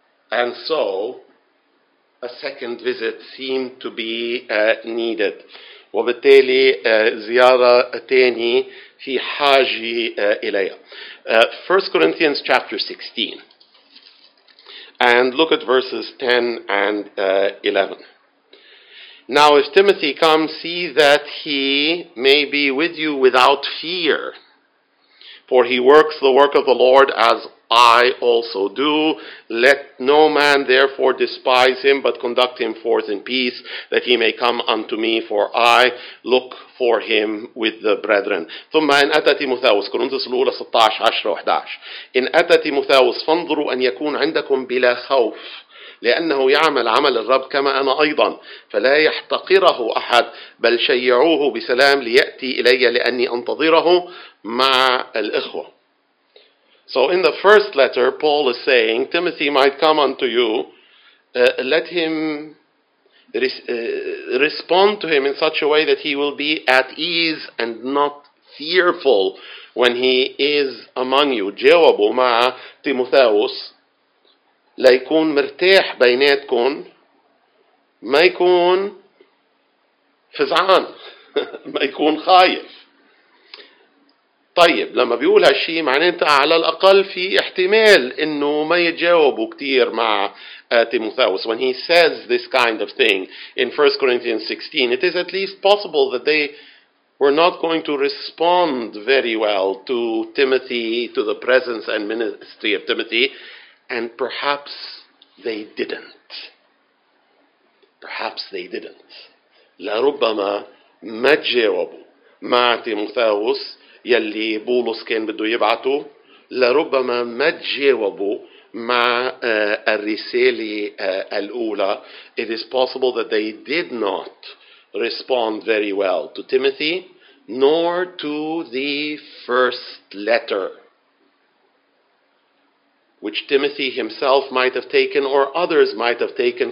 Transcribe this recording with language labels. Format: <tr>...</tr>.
<en>And so a second visit seemed to be needed.</en> <ar>وبالتالي زيارة تانية في حاجة إليها.</ar> <en>1 Corinthians chapter 16. And look at verses 10 and 11. Now, if Timothy comes, see that he may be with you without fear, for he works the work of the Lord as I also do. Let no man therefore despise him, but conduct him forth in peace, that he may come unto me, for I look for him with the brethren.</en> <ar>ثم إن أتى تيموثاوس كورنثوس الأولى 16:10-11 إن أتى تيموثاوس فانظروا أن يكون عندكم بلا خوف لأنه يعمل عمل الرب كما أنا أيضا فلا يحتقره أحد بل شيعوه بسلام ليأتي إلي لأني أنتظره مع الإخوة.</ar> <en>So in the first letter, Paul is saying, Timothy might come unto you, let him respond to him in such a way that he will be at ease and not fearful when he is among you.</en> <ar>جاوبوا مع تيموثاوس ليكون مرتاح بيناتكم ما يكون فزعان ما يكون خايف. طيب لما بيقول هالشي معناته على الأقل في احتمال إنه ما يتجاوبوا كتير مع تيموثاوس.</ar> <en>When he says this kind of thing in 1 Corinthians 16, it is at least possible that they were not going to respond very well to Timothy, to the presence and ministry of Timothy, and perhaps they didn't. Perhaps they didn't.</en> <ar>لربما ما تجاوبوا مع تيموثاوس يلي بولس كان بده يبعته، لربما ما تجاوبوا مع الرسالة الأولى.</ar> <en>It is possible that they did not respond very well to Timothy nor to the first letter, which Timothy himself might have taken or others might have taken.</en>